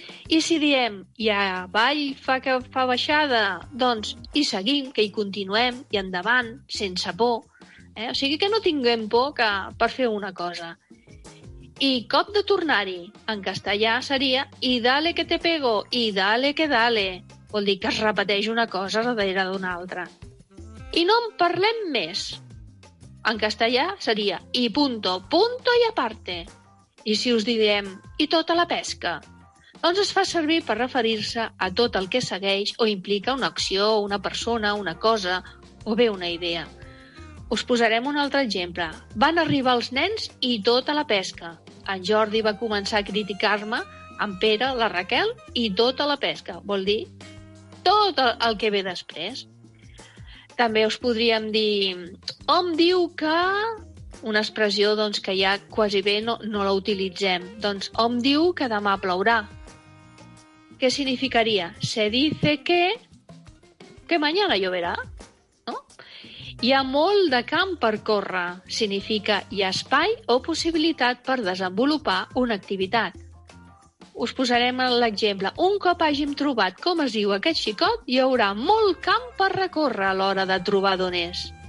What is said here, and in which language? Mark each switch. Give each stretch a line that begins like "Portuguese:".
Catalan: I si diem, ja avall fa que fa baixada, doncs hi seguim, que hi continuem, i endavant, sense por. O sigui que no tinguem por que, per fer una cosa. I cop de tornar-hi, en castellà seria i
Spanish: dale que te pego,
Catalan: i
Spanish: dale que dale.
Catalan: Vol dir que es repeteix una cosa darrere d'una altra. I no en parlem més. En castellà seria i
Spanish: punto, punto y aparte.
Catalan: I si us diem i tota la pesca, doncs es fa servir per referir-se a tot el que segueix o implica una acció, una persona, una cosa o bé una idea. Us posarem un altre exemple. Van arribar els nens i tota la pesca. En Jordi va començar a criticar-me, en Pere, la Raquel i tota la pesca. Vol dir tot el que ve després. També us podríem dir, hom diu que... Una expressió doncs, que ja quasi bé no la utilitzem. Doncs hom diu que demà plourà. Què significaria?
Spanish: Se dice que mañana lloverá, no?
Catalan: Hi ha molt de camp per córrer. Significa hi ha espai o possibilitat per desenvolupar una activitat. Us posarem l'exemple. Un cop hàgim trobat com es diu aquest xicot, hi haurà molt camp per recórrer a l'hora de trobar d'on és.